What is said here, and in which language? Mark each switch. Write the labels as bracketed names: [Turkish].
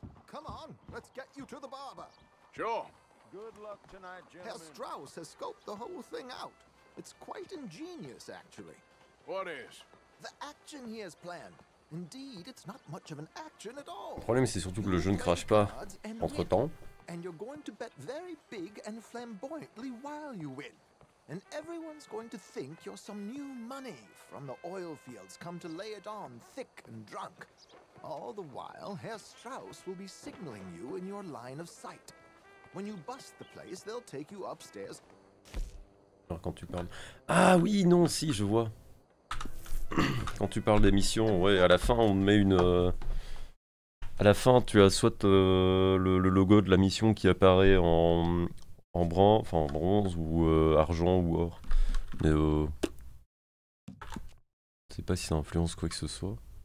[English] Come on, let's get you to the barber. Sure. Good luck tonight, gentlemen. Herr Strauss has scoped the whole thing out. It's quite ingenious, actually. What is? The action he has planned. Indeed, it's not much of an action at all. [French] Le problème, c'est surtout que le jeu ne crache pas entre temps. [English] And you're going to bet very big and flamboyantly while you win. And everyone's going to think you're some new money from the oil fields come to lay it on thick and drunk. All the while, Herr Strauss will be signaling you in your line of sight. When you bust the place, they'll take you upstairs. [French] Alors, quand tu parles. Ah oui, non, si, je vois. Quand tu parles d'émission, ouais, à la fin on met une. À la fin, tu as soit le logo de la mission qui apparaît en bronze ou argent ou or. Mais je sais pas si ça influence quoi que ce soit.